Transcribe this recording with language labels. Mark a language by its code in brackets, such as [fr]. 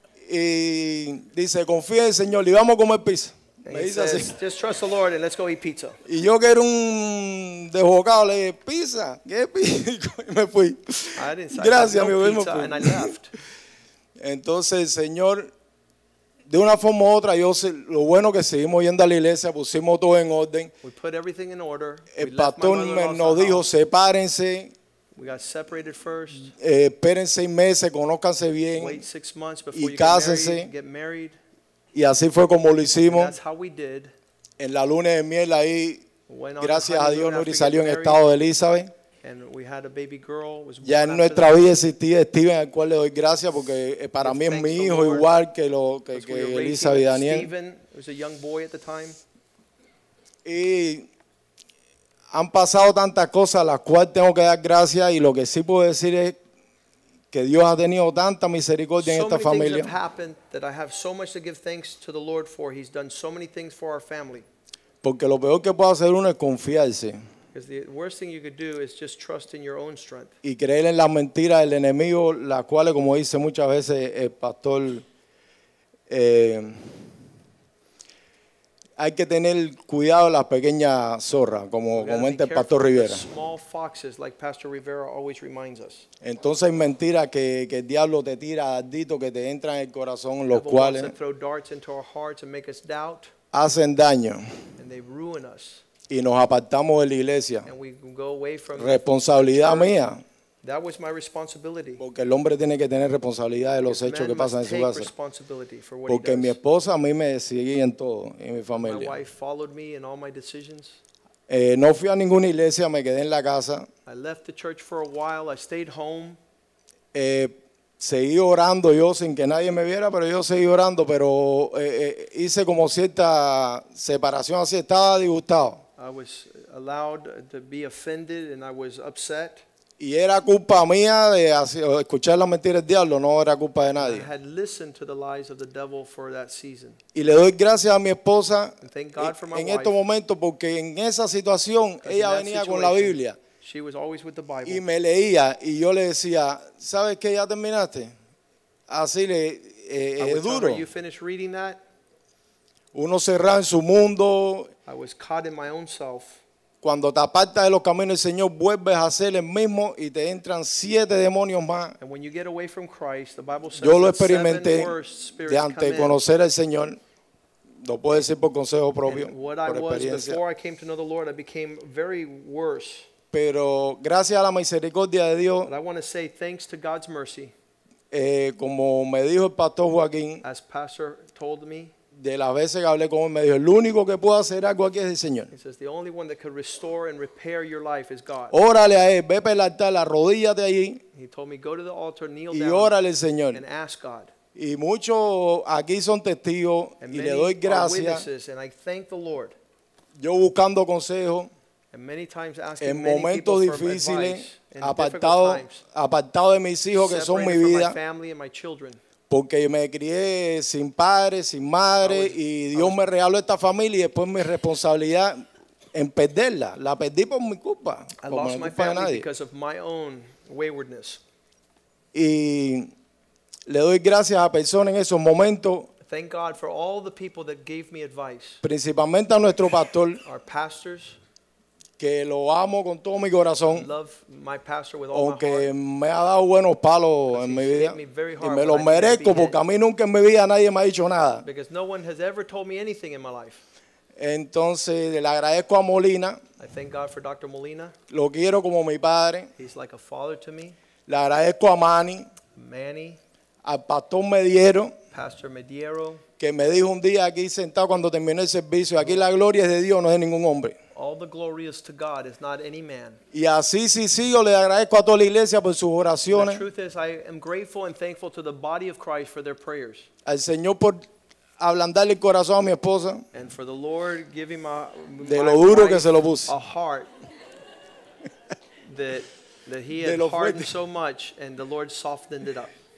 [es] Y dice, confía en el Señor y vamos a comer pizza. [en] And he says, just trust the Lord and let's go eat pizza. [es] Y yo que era un desbocado, le dije, pizza, ¿qué pizza? Y me fui. Gracias, amigo, me fui. [en] And I left. [es] Entonces, Señor, de una forma u otra, yo sé, lo bueno que seguimos yendo a la iglesia, pusimos todo en orden. [en] We put everything in order. [es] El pastor nos dijo, sepárense. [en] We got separated first. [es] Esperen 6 meses, conózcanse bien. [en] Wait 6 months before [es] y cásense. [en] Get married. [es] Y así fue como lo hicimos. En la luna de miel ahí, gracias a Dios, Nuri salió en estado de Elizabeth. [en] And we had a baby girl, was [es] ya en nuestra vida existía Steven, al cual le doy gracias porque para mí es mi hijo [en] Lord, [es] igual que lo que Elizabeth y Daniel. [en] Steven was a young boy at the time. [es] Y han pasado tantas cosas a las cuales tengo que dar gracias y lo que sí puedo decir es que Dios ha tenido tanta misericordia en esta familia. [en] Have happened that I have so much to give thanks to the Lord for. He's done so many things for our family. [es] Porque lo peor que puede hacer uno es confiarse. [en] Because the worst thing you could do is just trust in your own strength. [es] Y creer en las mentiras del enemigo, las cuales, como dice muchas veces el pastor, hay que tener cuidado de las pequeñas zorras, como comenta el pastor Rivera. [en] Small foxes, like Pastor Rivera always reminds us. [es] Entonces es mentira que el diablo te tira dardito, que te entra en el corazón, los cuales [en] throw darts into our hearts and make us doubt, [es] hacen daño. [en] And they ruin us. [es] Y nos apartamos de la iglesia. [en] And we go away from [es] responsabilidad [en] church. [es] Mía. [en] That was my responsibility. [es] Porque el hombre tiene que tener responsabilidad de los hechos que pasan en su casa. Porque mi esposa a mí me seguía en todo, en mi familia. [en] My wife followed me in all my decisions. [es] No fui a ninguna iglesia, me quedé en la casa. [en] I left the church for a while, I stayed home. [es] Seguí orando yo sin que nadie me viera, pero yo seguí orando, pero hice como cierta separación, así estaba disgustado. [en] I was allowed to be offended and I was upset. [es] Y era culpa mía de escuchar las mentiras del diablo, no era culpa de nadie. [en] I had listened to the lies of the devil for that season. [es] Y le doy gracias a mi esposa [en] thank God for my [es] en estos momentos porque en esa situación ella venía con la Biblia. [en] She was always with the Bible. [es] Y me leía y yo le decía, ¿sabes qué? Ya terminaste. Así le es duro. [en] You finished reading that? [es] Uno cerrado en su mundo. [en] I was caught in my own self. [es] Cuando te apartas de los caminos del Señor, vuelves a ser el mismo y te entran 7 demonios más. [en] Christ, [es] yo lo experimenté de antes de conocer al Señor. Lo puedo decir por consejo propio, por experiencia. [en] Lord, [es] Pero gracias a la misericordia de Dios. [en] But I want to say thanks to God's mercy. [es] Como me dijo el pastor Joaquín, [en] as pastor told me, [es] de las veces que hablé con él, me dijo, el único que puede hacer algo aquí es el Señor. [en] He says, the only one that could restore and repair your life is God. [es] Órale a él, ve para el altar, arrodíllate allí. [en] He told me, go to the altar, kneel [es] y órale al Señor. [en] And ask God. [es] Y muchos aquí son testigos y le doy gracias. [en] And I thank the Lord. [es] Yo buscando consejo en momentos difíciles, apartado de mis hijos que son mi vida, porque me crié sin padre, sin madre, y Dios me regaló esta familia y después mi responsabilidad en perderla, la perdí por mi culpa, como la culpa de nadie. [en] Because of my own waywardness. [es] Y le doy gracias a personas en esos momentos. [en] Thank God for all the people that gave me advice. [es] Principalmente a nuestro pastor, [en] our pastors, [es] que lo amo con todo mi corazón, [en] love my pastor with all [es] aunque [en] my heart, [es] me ha dado buenos palos en mi vida, y me lo merezco porque a mí nunca en mi vida nadie me ha dicho nada. [en] Because no one has ever told me anything in my life. [es] Entonces le agradezco a Molina. [en] I thank God for Dr. Molina. [es] Lo quiero como mi padre. [en] He's like a father to me. [es] Le agradezco a Manny. [en] Manny. [es] Al pastor Mediero. [en] Pastor Mediero, [es] que me dijo un día aquí sentado cuando terminé el servicio, aquí la gloria es de Dios, no es de ningún hombre. [en] All the glory is to God, it's not any man. [es] Y así sí, yo le agradezco a toda la iglesia por sus oraciones. [en] And the truth is, I am grateful and thankful to the body of Christ for their prayers. [es] Al Señor por ablandarle el corazón a mi esposa. [en] And for the Lord giving my [es] de lo duro que se lo puse. [en] A heart that he had hardened so much and the Lord softened it up.